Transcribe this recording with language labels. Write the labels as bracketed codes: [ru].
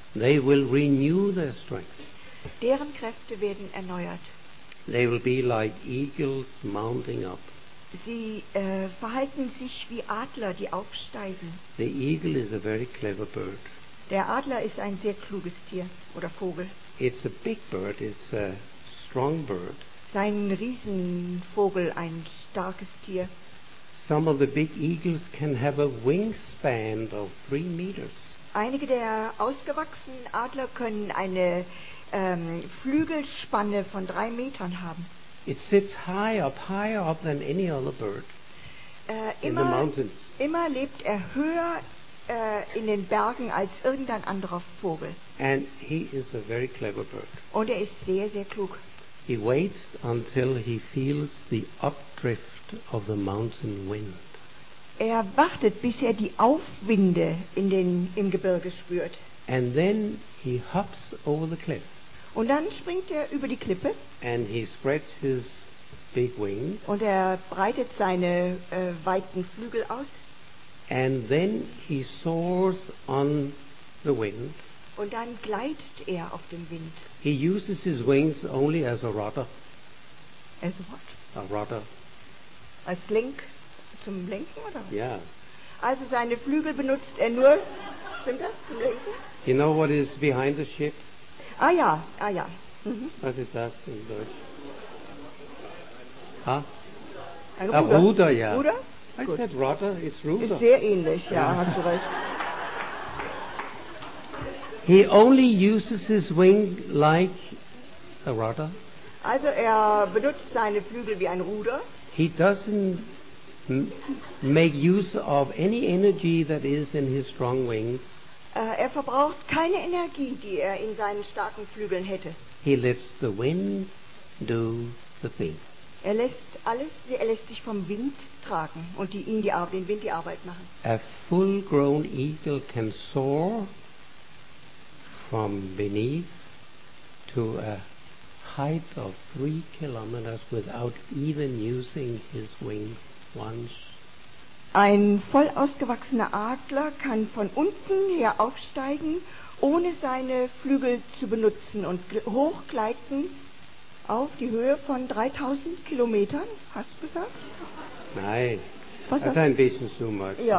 [en] They will renew their strength. [de] Deren Kräfte werden erneuert. [en] They will be like eagles mounting up. [de] Sie verhalten sich wie Adler, die aufsteigen. [en] The eagle is a very clever bird. [de] Der Adler ist ein sehr kluges Tier oder Vogel. [en] It's a big bird, it's a strong bird. [de] Sein Riesenvogel, ein starkes Tier. [en] Some of the big eagles can have a wingspan of 3 meters. [de] Einige der ausgewachsenen Adler können eine Flügelspanne von 3 Metern haben. [en] It sits higher up than any other bird in the mountains. [de] Immer lebt er höher in den Bergen als irgendein anderer Vogel. [en] And he is a very clever bird. [de] Und er ist sehr, sehr klug. [en] He waits until he feels the updrift of the mountain wind. [de] Er wartet, bis er die Aufwinde im Gebirge spürt. [en] And then he hops over the cliff. [de] Und dann springt er über die Klippe. [en] And he spreads his big wings. [de] Und er breitet seine weiten Flügel aus. [en] And then he soars on the wind. [de] Und dann gleitet er auf dem Wind. [en] He uses his wings only as a rudder. As what? A rudder. [de] Als Lenk, zum Lenken oder? Ja. Also seine Flügel benutzt er nur, stimmt das, zum Lenken? [en] You know what is behind the ship? [de] Ah ja, ah ja. Mhm. Was ist das in Deutsch? Ha? Ein Ruder, ja. Ruder? [en] I Good. Said rudder, it's Ruder. [de] Ist sehr ähnlich, ja, hast du recht. [en] He only uses his wing like a rudder. [de] Also er benutzt seine Flügel wie ein Ruder. [en] He doesn't make use of any energy that is in his strong wings. [de] Er verbraucht keine Energie, die er in seinen starken Flügeln hätte. [en] He lets the wind do the thing. [de] Er lässt sich vom Wind tragen und den Wind die Arbeit machen. [en] A full-grown eagle can soar from beneath to a height of 3 kilometers without even using his wings once. [de] Ein voll ausgewachsener Adler kann von unten her aufsteigen, ohne seine Flügel zu benutzen und hochgleiten auf die Höhe von 3000 Kilometern, hast du gesagt? Nein, das ist ein bisschen zu much.